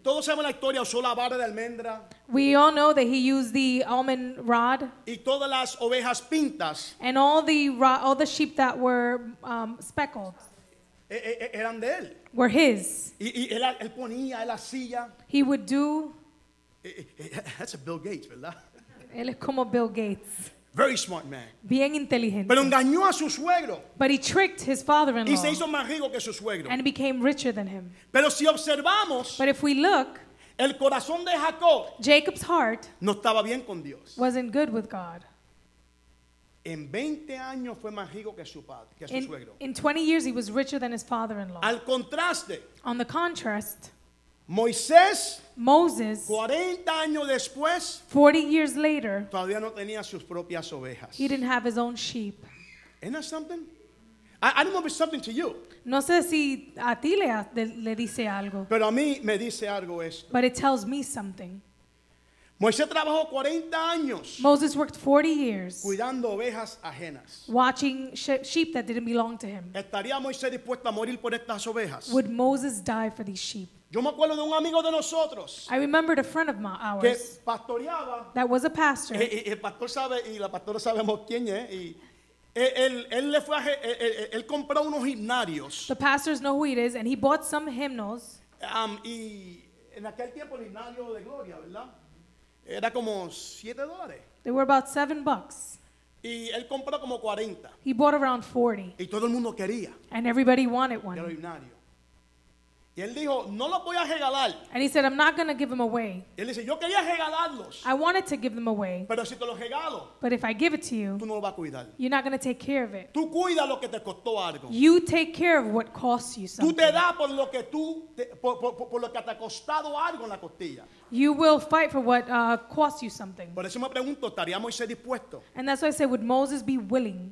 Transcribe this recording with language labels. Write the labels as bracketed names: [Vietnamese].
[Spanish] Todos sabemos la historia, usó la vara de almendra. [English] We all know that he used the almond rod. [Spanish] Y todas las ovejas pintas. [English] And all the sheep that were speckled. [Spanish] Eran de él. [English] Were his. [Spanish] Y él ponía, él hacía. [English] He would do. That's a Bill Gates, [Spanish] ¿verdad? Él es como Bill Gates. [English] Very smart man. [Spanish] Bien inteligente. Pero engañó a su suegro. [English] But he tricked his father-in-law. [Spanish] Y se hizo más rico que su suegro. [English] And became richer than him. [Spanish] Pero si observamos, [English] but if we look, [Spanish] el corazón de Jacob, [English] Jacob's heart, [Spanish] no estaba bien con Dios. [English] Wasn't good with God. [Spanish] En 20 años fue más rico que su padre, que su suegro. [English] In 20 years he was richer than his father-in-law. [Spanish] Al contraste. [English] On the contrast. [Spanish] Moisés. [English] Moses. [Spanish] 40 años después. [English] 40 years later. [Spanish] Todavía no tenía sus propias ovejas. [English] He didn't have his own sheep. Isn't that something? I don't know if it's something to you. [Spanish] No sé si a ti le dice algo. Pero a mí me dice algo esto. [English] But it tells me something. [Spanish] Moisés trabajó 40 años. [English] Moses worked 40 years. [Spanish] Cuidando ovejas ajenas. [English] Watching sheep that didn't belong to him. [Spanish] ¿Estaría Moisés dispuesto a morir por estas ovejas? [English] Would Moses die for these sheep? [Spanish] Yo me acuerdo de un amigo de nosotros. [English] I remembered a friend of ours. [Spanish] Que pastoreaba. [English] That was a pastor. [Spanish] El pastor sabe y la pastora sabemos quién es y él le fue él compró unos himnarios. [English] The pastors know who it is, and he bought some hymnals. [Spanish] Y en aquel tiempo el himnario de gloria, ¿verdad? Era como $7. [English] They were about $7. [Spanish] Y él compró como 40. [English] He bought around 40. [Spanish] Y todo el mundo quería. [English] And everybody wanted one. [Spanish] Era himnario. Y él dijo, no los voy a regalar. [English] And he said, I'm not going to give them away. [Spanish] Y él dice, yo quería regalarlos. [English] I wanted to give them away. [Spanish] Pero si te los regalo, [English] but if I give it to you, [Spanish] tú no lo vas a cuidar. [English] You're not going to take care of it. [Spanish] Tú cuida lo que te costó algo. [English] You take care of what costs you something. [Spanish] Tú te da por lo que tú, por lo que te ha costado algo en la costilla. [English] You will fight for what costs you something. [Spanish] Por eso me pregunto, ¿estaría Moisés dispuesto? [English] And that's why I said, would Moses be willing